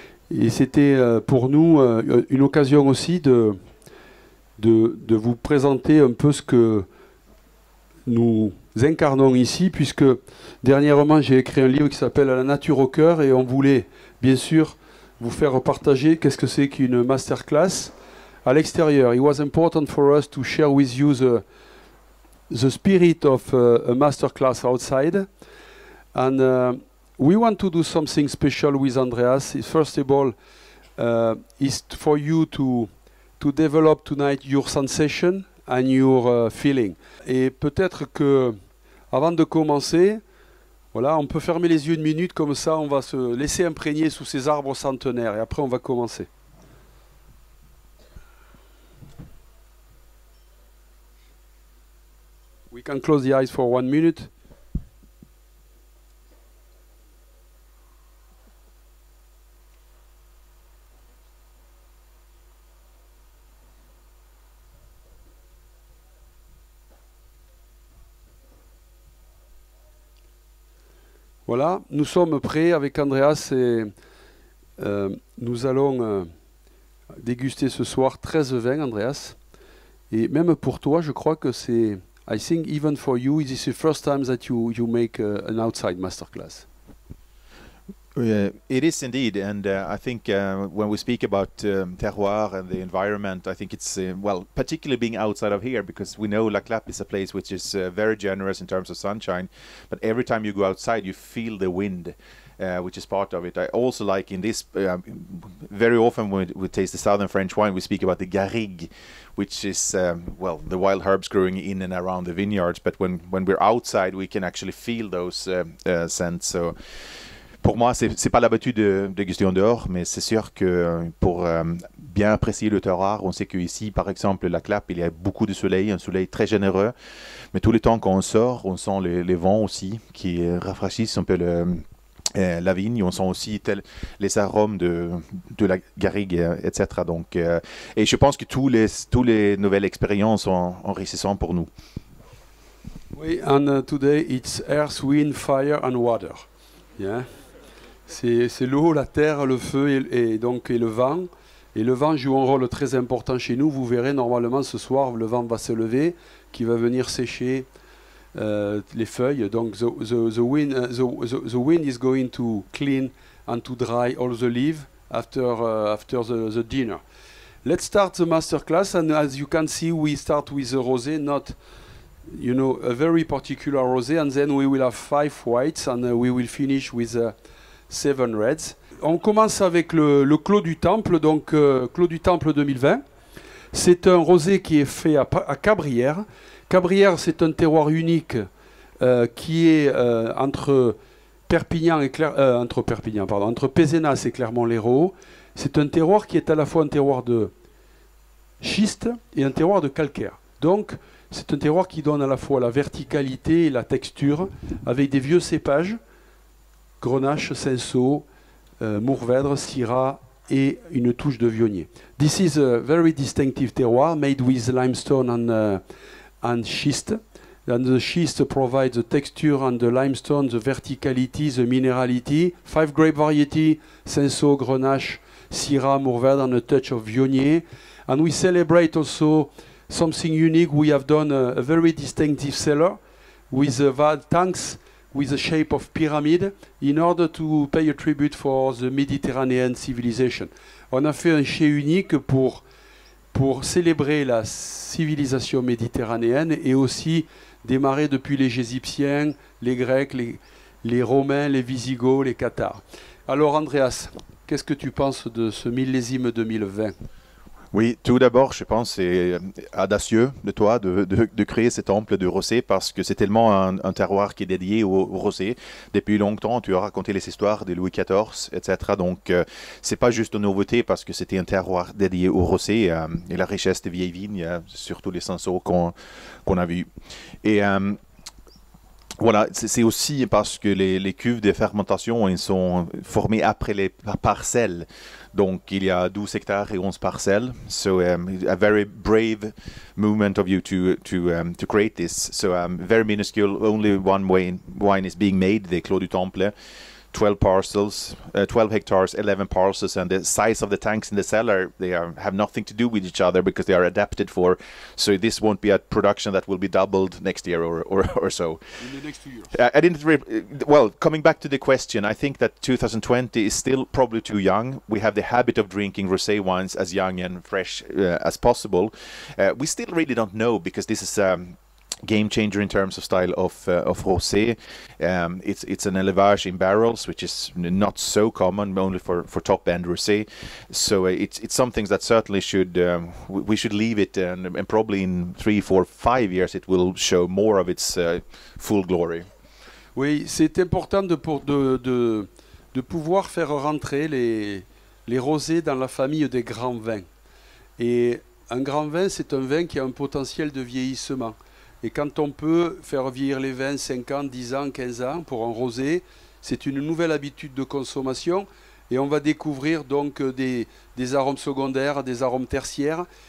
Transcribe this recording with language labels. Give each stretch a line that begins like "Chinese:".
French: Et c'était pour nous une occasion aussi de vous présenter un peu ce que nous incarnons ici, puisque dernièrement j'ai écrit un livre qui s'appelle « La nature au cœur » et on voulait bien sûr vous faire partager qu'est-ce que c'est qu'une masterclass à l'extérieur.
English: It was important for us to share with you the spirit of a masterclass outside. And we want to do something special with Andreas. First of all, is for you to develop tonight your sensation and your feeling.
French: Et peut-être que, avant de commencer, voilà, on peut fermer les yeux une minute, comme ça on va se laisser imprégner sous ces arbres centenaires et après on va commencer.
English: We can close the eyes for 1 minute.
French: Voilà, nous sommes prêts avec Andreas et nous allons déguster ce soir 13 vins, Andreas. Et même pour toi, je crois que c'est...
English: I think even for you, this is the first time that you make an outside masterclass. It is indeed, and I think when we speak about terroir and the environment, I think it's, well, particularly being outside of here, because we know La Clap is a place which is very generous in terms of sunshine, but every time you go outside, you feel the wind, which is part of it. I also like in this, very often when we taste the southern French wine, we speak about the garrigue, which is, well, the wild herbs growing in and around the vineyards, but when we're outside, we can actually feel those scents, so...
French: Pour moi, c'est pas l'habitude de déguster en dehors, mais c'est sûr que pour bien apprécier le terroir, on sait qu'ici, par exemple, la Clap, il y a beaucoup de soleil, un soleil très généreux. Mais tous les temps qu'on sort, on sent les vents aussi qui rafraîchissent un peu la vigne. On sent aussi les arômes de la garrigue, etc. Donc, et je pense que toutes les nouvelles expériences sont enrichissantes pour nous. Oui,
English: and today it's earth, wind, fire and water. Yeah.
French: C'est l'eau, la terre, le feu et le vent. Et le vent joue un rôle très important chez nous. Vous verrez, normalement, ce soir, le vent va se lever, qui va venir sécher les feuilles. Donc,
English: the wind is going to clean and to dry all the leaves after the dinner. Let's start the masterclass. And as you can see, we start with the rosé, not... You know, a very particular rosé, and then we will have 5 whites, and we will finish with 7 reds.
French: On commence avec le Clos du Temple, donc Clos du Temple 2020. C'est un rosé qui est fait à Cabrières. Cabrières, c'est un terroir unique qui est entre Pézenas et Clermont-l'Hérault. C'est un terroir qui est à la fois un terroir de schiste et un terroir de calcaire. Donc, c'est un terroir qui donne à la fois la verticalité et la texture avec des vieux cépages, Grenache, Cinsault, Mourvèdre, Syrah et une touche de Viognier.
English: This is a very distinctive terroir made with limestone and schist. And the schist provides the texture and the limestone, the verticality, the minerality. 5 grape variety, Cinsault, Grenache, Syrah, Mourvèdre and a touch of Viognier. And we celebrate also something unique. We have done a very distinctive cellar with valve tanks with the shape of pyramid in order to pay a tribute for the Mediterranean civilization.
French: On a fait un chai unique pour célébrer la civilisation méditerranéenne et aussi démarrer depuis les Égyptiens, les Grecs, les, les Romains, les Visigoths, les Cathares. Alors, Andreas, qu'est-ce que tu penses de ce millésime 2020? Oui, tout d'abord, je pense que c'est audacieux de toi de créer ce temple de rosé parce que c'est tellement un terroir qui est dédié au rosé. Depuis longtemps, tu as raconté les histoires de Louis XIV, etc. Donc, c'est pas juste une nouveauté parce que c'était un terroir dédié au rosé et la richesse des vieilles vignes, surtout les cinceaux qu'on a vus. Et voilà, c'est aussi parce que les cuves de fermentation, elles sont formées après les parcelles. Donc, il y a 12 hectares et 11 parcelles.
English: So, a very brave movement of you to create this. So, very minuscule, only one wine is being made, the Clos du Temple. 12 parcels, 12 hectares, 11 parcels, and the size of the tanks in the cellar, they are, have nothing to do with each other because they are adapted for. So this won't be a production that will be doubled next year or so. In the next 2 years. Coming back to the question, I think that 2020 is still probably too young. We have the habit of drinking rosé wines as young and fresh as possible. We still really don't know because this is game changer in terms of style of rosé. It's an élevage in barrels, which is not so common, only for top end rosé. So it's something that certainly should we should leave it, and probably in 3, 4, 5 years it will show more of its full glory.
French: Oui, c'est important de pouvoir faire rentrer les rosés dans la famille des grands vins. Et un grand vin, c'est un vin qui a un potentiel de vieillissement. Et quand on peut faire vieillir les vins 5 ans, 10 ans, 15 ans pour un rosé, c'est une nouvelle habitude de consommation et on va découvrir donc des arômes secondaires, des arômes tertiaires.